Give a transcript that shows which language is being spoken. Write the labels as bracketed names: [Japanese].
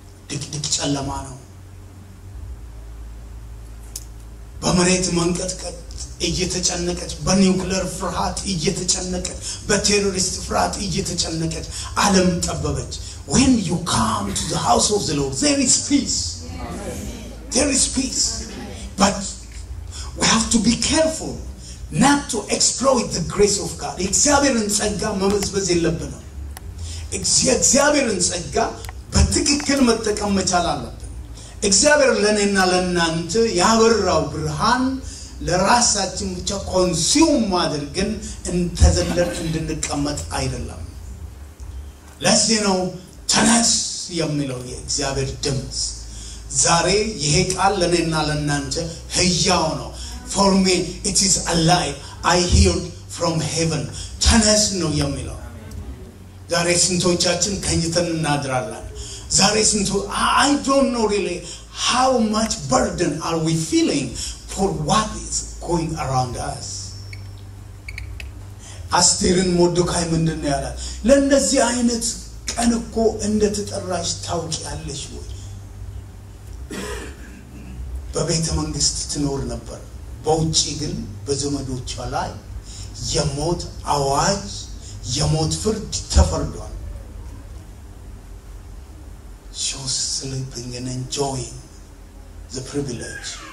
[Amharic] ድቅድቅ ጨለማ ነው። በመሬት መንቀጥቀጥ እየተጨነቀች፣ በኒውክሌር ፍርሃት እየተጨነቀች፣ በቴሮሪስት ፍርሃት እየተጨነቀች ዓለም ጠበበች። [English] When you come to the house of the Lord, there is peace. There is peace. But we have to be careful not to exploit the grace of God. [Amharic] እግዚአብሔርን ጸጋ መመዝበዝ የለብንም። እግዚአብሔርን ጸጋ በትክክል መጠቀም መቻል አለብን። እግዚአብሔር ለእኔና ለእናንተ ያበራው ብርሃን ለራሳችን ብቻ ኮንሱም ማድረግን እንተዘለል እንድንቀመጥ አይደለም። ለዚህ ነው ተነስ የሚለው የእግዚአብሔር ድምፅ። ዛሬ ይሄ ቃል ለእኔና ለእናንተ ህያው ነው። [English] For me it is alive, I hear from heaven. [Amharic] ተነስ ነው የሚለው። ዛሬ ስንቶቻችን ከኝተን እናድራለን? ዛሬ ስንቶ [English] I don't know really how much burden are we feeling for what is going around us. [Amharic] አስቴርን ሞርዶካይ ምንድነው ያላት? ለእንደዚህ አይነት ቀን እኮ እንደተጠራሽ ታውቂያለሽ ወይ? በቤተ መንግስት ትኖር ነበር፣ በውጪ ግን በዘመዶቿ ላይ የሞት አዋጅ፣ የሞት ፍርድ ተፈርዷል። [English] She was sleeping and enjoying the privilege.